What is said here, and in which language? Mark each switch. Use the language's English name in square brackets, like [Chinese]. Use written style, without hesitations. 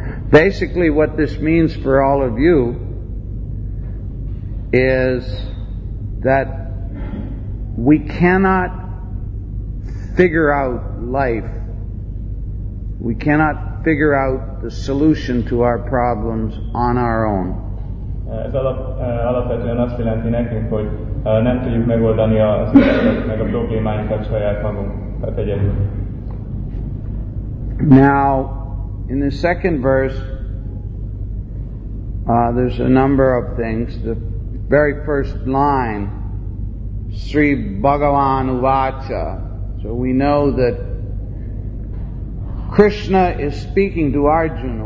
[English] Basically, what this means for all of you is that we cannot figure out life. We cannot figure out the solution to our problems on our own. [Hungarian] Ez alapvetően azt jelenti nekünk, hogy nem tudjuk megoldani az meg a problémáinkat saját magunk, tehát egyedül. [English] Now, in the second verse, there's a number of things. The very first line, Sri Bhagavan Uvacha. So we know that Krishna is speaking to Arjuna.